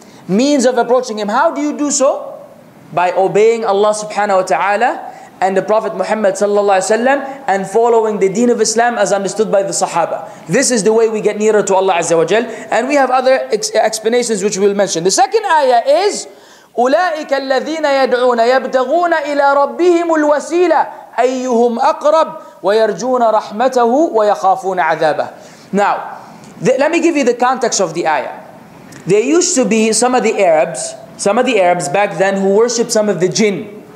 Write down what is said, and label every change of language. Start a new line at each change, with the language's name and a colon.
English: Means of approaching him. How do you do so? By obeying Allah subhanahu wa ta'ala and the Prophet Muhammad sallallahu alayhi wa sallam and following the deen of Islam as understood by the Sahaba. This is the way we get nearer to Allah azza wa jal. And we have other explanations which we will mention. The second ayah is,
Arabic: أولئك الذين يدعون يبتغون إلى ربهم الوسيلة أيهم أقرب ويرجون رحمته ويخافون عذابه.
English: Now, let me give you the context of the ayah. There used to be some of the Arabs back then who worshipped some of the jinn.